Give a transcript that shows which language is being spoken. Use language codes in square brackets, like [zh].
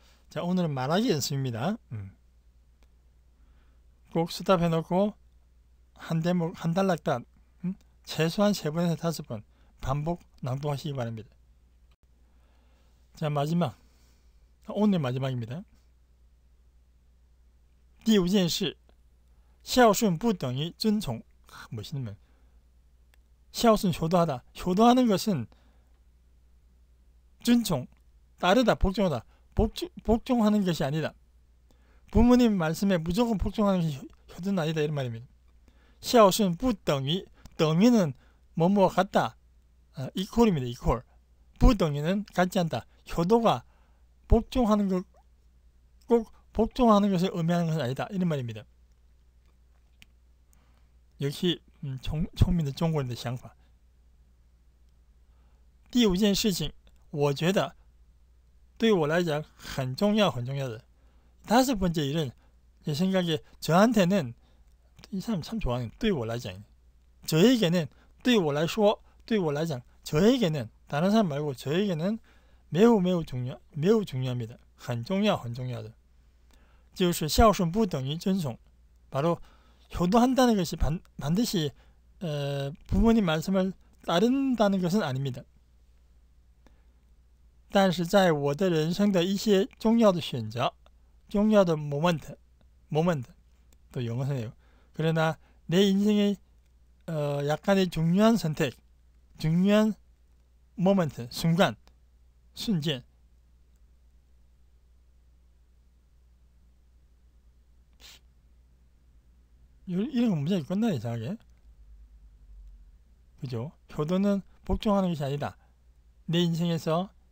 [ko] 자, 오늘은 말하기 연습입니다. 꼭 스탑 해놓고 한 대목 한 단락당 최소한 세 번에서 다섯 번 반복 낭독하시기 바랍니다. 자, 마지막, 오늘 마지막입니다. [zh] 第五件事, 孝顺 不等于 尊崇. [ko] 멋있는 말. 孝顺 효도하다. 효도하는 것은 尊崇, 따르다, 복종하다. 복종하는 것이 아니다. 부모님 말씀에 무조건 복종하는 것이 효도는 아니다 이런 말입니다. [zh] 孝顺 不等于, [ko] 等于는 뭐뭐와 같다, 이퀄입니다. 이퀄. 不等于는 같지 않다. 효도가 복종하는 것, 꼭 복종하는 것을 의미하는 것은 아니다 이런 말입니다. 역시 총민의 중국인의 생각. [zh] 第五件事情, 我觉得对我来讲很重要很重要的. [ko] 다섯 번째 일은 제 생각에 저한테는, 이 사람 참 좋아하는, [zh] 对我来讲, [ko] 저에게는, [zh] 对我来说, [ko] 对我来讲, 저에게는, 다른 사람 말고 저에게는 매우 중요합니다. [zh] 很重要很重要的.就是孝顺不等于尊崇. [ko] 바로 효도한다는 것이 반드시 부모님 말씀을 따른다는 것은 아닙니다. [zh] 但是在我的人生的一些重要的选择、重要的 moment 都用上了。 [ko] 그러나내인생의약간의중요한선택중요한 moment 순간瞬间이런문제가있나이상하게그죠효도는복종하는것이아니다내인생에서